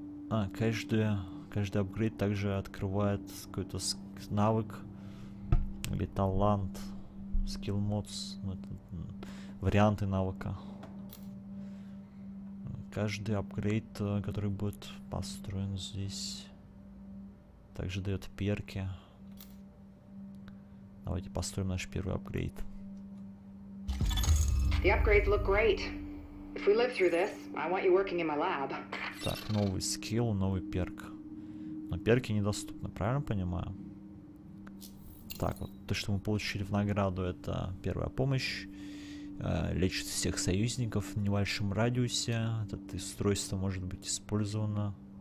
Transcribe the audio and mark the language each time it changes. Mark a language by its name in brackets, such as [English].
[Russian] А, каждый апгрейд также открывает какой-то навык или талант, [English] skill mods, [Russian] ну, это, варианты навыка. каждый апгрейд, который будет построен здесь, также дает перки. Давайте построим наш первый апгрейд. [English] The upgrades look great. If we live through this, I want you working in my lab. [Russian] Так, новый скилл, новый перк. Но перки недоступны, правильно понимаю? Так, вот то, что мы получили в награду, это первая помощь. Лечит всех союзников в небольшом радиусе. Это устройство может быть использовано.